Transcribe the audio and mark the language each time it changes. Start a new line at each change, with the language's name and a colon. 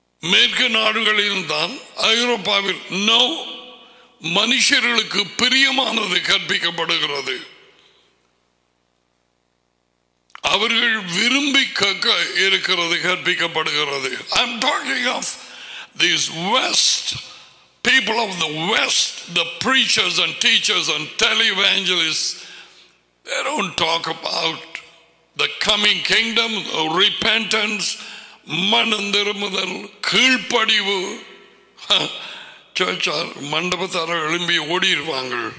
Tamil: மேற்கு நாடுகளிலும் தான், ஐரோப்பாவில் நோ. மனுஷர்களுக்கு பிரியமானது கற்பிக்கப்படுகிறது. அவர்கள் விரும்பி கக்க இருக்கிறது கற்பிக்கப்படுகிறது.
English: I'm talking of these West people of the West, the preachers and teachers and televangelists, they don't talk about the coming kingdom, repentance,
Tamil: மனம் திரும்புதல், கீழ்ப்படிவு. சர்ச்சார் மண்டபத்தார எழும்பி ஓடிடுவாங்க.